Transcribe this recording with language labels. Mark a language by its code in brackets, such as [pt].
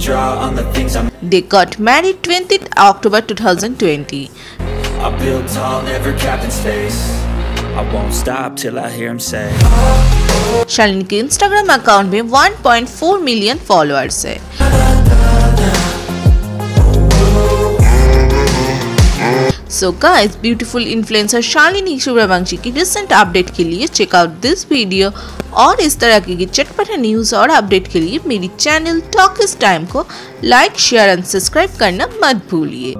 [en] They got married 20th October 2020. [hi] Shalini के Instagram account में 1.4 million followers है। [en] So guys, beautiful influencer [hi] Shalini Suryavanshi की recent update के लिए [en] check out this video [hi] और इस तरह की चटपटे news और update के लिए मेरी channel Talk is Time को [en] like, share and subscribe [hi] करना मत भूलिए।